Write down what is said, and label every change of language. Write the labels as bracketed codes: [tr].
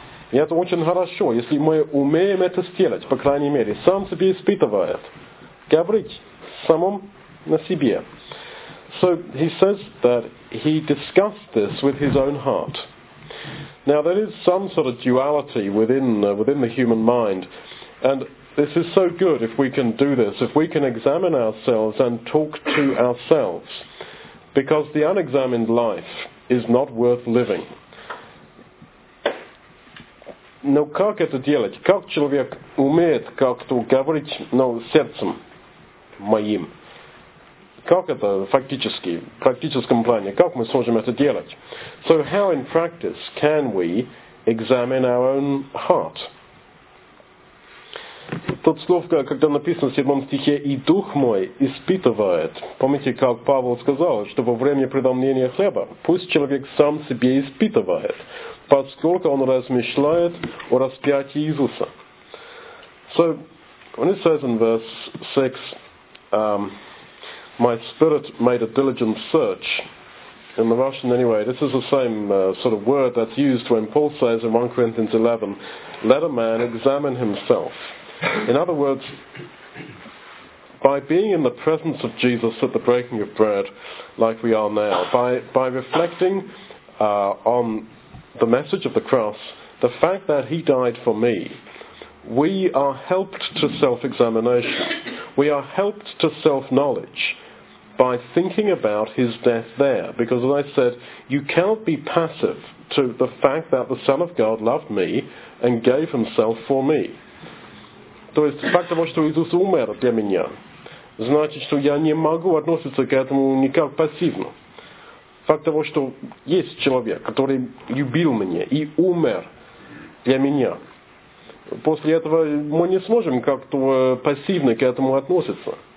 [ru] И это очень хорошо, если мы умеем это сделать, по крайней мере, сам себе испытывает, говорить самом на себе. [en] So he says that he discussed this with his own heart. Now there is some sort of duality within the human mind, and this is so good if we can do this, if we can examine ourselves and talk to ourselves, because the unexamined life is not worth living. [ru] Но как это делать? Как человек умеет как-то говорить, сердцем моим? Как это фактически, в практическом плане, как мы сможем это делать? [en] So how in practice can we examine our own heart? [ru] Тут слово, когда написано в 7 стихе, и дух мой испытывает. Помните, как Павел сказал, что во время преломления хлеба, пусть человек сам себе испытывает, поскольку он размышляет о распятии Иисуса. [en] So, when it says in verse 6, my spirit made a diligent search, in the Russian anyway, this is the same sort of word that's used when Paul says in 1 Corinthians 11, let a man examine himself. In other words, by being in the presence of Jesus at the breaking of bread, like we are now, by reflecting on the message of the cross, the fact that he died for me, we are helped to self-examination. We are helped to self-knowledge by thinking about his death there. Because as I said, you cannot be passive to the fact that the Son of God loved me and gave himself for me. [ru] То есть, факт того, что Иисус умер для меня, значит, что я не могу относиться к этому никак пассивно. Факт того, что есть человек, который любил меня и умер для меня, после этого мы не сможем как-то пассивно к этому относиться.